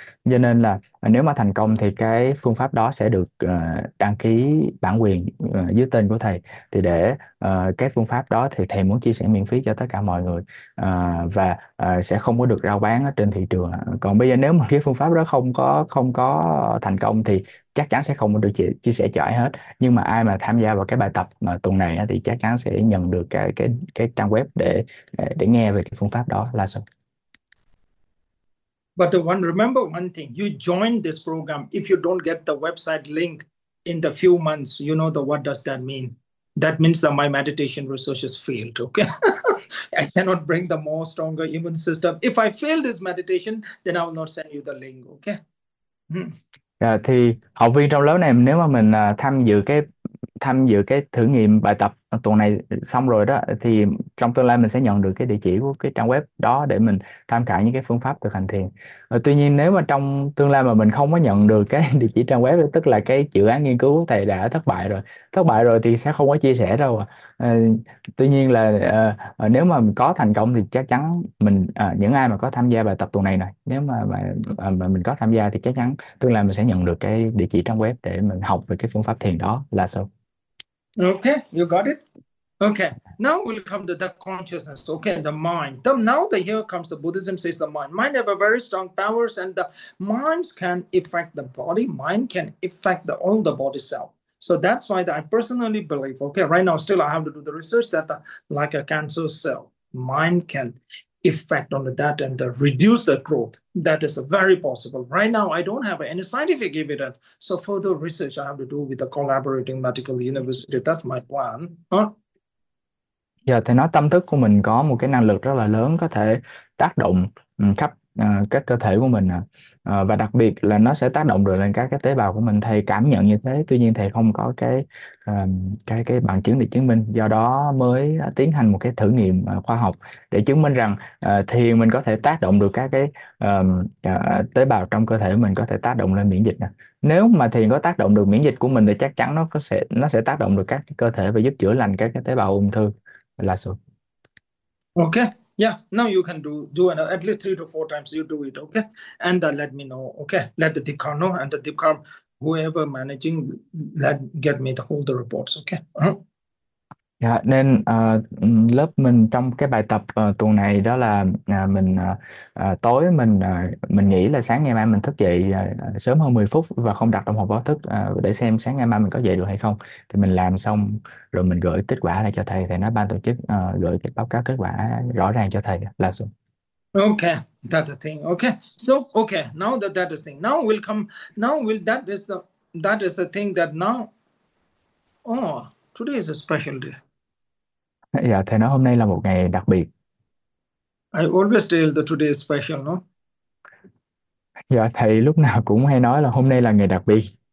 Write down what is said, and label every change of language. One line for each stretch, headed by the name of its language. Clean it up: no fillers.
Vietnamese: Cho nên là nếu mà thành công thì cái phương pháp đó sẽ được đăng ký bản quyền dưới tên của thầy, thì để cái phương pháp đó thì thầy muốn chia sẻ miễn phí cho tất cả mọi người, và sẽ không có được rao bán ở trên thị trường. Còn bây giờ nếu mà cái phương pháp đó không có thành công thì chắc chắn sẽ không có được chia sẻ cho ai hết, nhưng mà ai mà tham gia vào cái bài tập mà tuần này thì chắc chắn sẽ nhận được cái trang web để nghe về cái phương pháp đó là sao.
English: But the one, remember one thing, you join this program. If you don't get the website link in the few months, you know the what does that mean? That means that my meditation research has failed, okay? I cannot bring the more stronger immune system. If I fail this meditation, then I will not send you the link, okay?
Vietnamese: Thì học viên trong lớp này nếu mà mình tham dự cái thử nghiệm bài tập tuần này xong rồi đó, thì trong tương lai mình sẽ nhận được cái địa chỉ của cái trang web đó để mình tham khảo những cái phương pháp thực hành thiền. Tuy nhiên nếu mà trong tương lai mà mình không có nhận được cái địa chỉ trang web, tức là cái dự án nghiên cứu của thầy đã thất bại rồi thì sẽ không có chia sẻ đâu. Tuy nhiên là nếu mà có thành công thì chắc chắn mình, những ai mà có tham gia bài tập tuần này này, nếu mà mình có tham gia thì chắc chắn tương lai mình sẽ nhận được cái địa chỉ trang web để mình học về cái phương pháp thiền đó là sao.
English: Okay, you got it. Okay, now we'll come to the consciousness. Okay, the mind. Here comes the Buddhism says the mind. Mind have a very strong powers, and the minds can affect the body. Mind can affect the all the body cell. So that's why I personally believe. Okay, right now still I have to do the research that like a cancer cell, mind can effect on that and reduce the growth. That is very possible. Right now, I don't have any scientific evidence. So further research I have to do with the collaborating medical university. That's my plan.
Vietnamese: Giờ thì nói tâm thức của mình có một cái năng lực rất là lớn, có thể tác động khắp các cơ thể của mình, và đặc biệt là nó sẽ tác động được lên các cái tế bào của mình. Thầy cảm nhận như thế, tuy nhiên thầy không có cái bằng chứng để chứng minh, do đó mới tiến hành một cái thử nghiệm khoa học để chứng minh rằng thì mình có thể tác động được các cái tế bào trong cơ thể mình, có thể tác động lên miễn dịch. Nếu mà thiền có tác động được miễn dịch của mình thì chắc chắn nó sẽ tác động được các cái cơ thể và giúp chữa lành các cái tế bào ung thư là sự.
English: Okay, yeah, now you can do another, at least 3 to 4 times you do it, okay? And let me know, okay? Let the Deepak know, and the Deepak, whoever managing, let get me the whole the reports, okay?
Vietnamese: Dạ, nên lớp mình trong cái bài tập tuần này đó là mình tối mình nghĩ là sáng ngày mai mình thức dậy sớm hơn 10 phút và không đặt đồng hồ báo thức, để xem sáng ngày mai mình có dậy được hay không. Thì mình làm xong rồi mình gửi kết quả lại cho thầy, thầy nói ban tổ chức gửi cái báo cáo kết quả rõ ràng cho thầy là xong.
English: Okay, that's the thing. Okay, so okay, now that is the thing. Now we'll come. Now we'll that is the thing that now. Oh, today is a special day.
Vietnamese: Dạ, thầy nói hôm nay là một ngày đặc biệt.
English: I always tell that today is special, no?
Vietnamese: Dạ, thầy lúc nào cũng hay nói là hôm nay là ngày đặc biệt.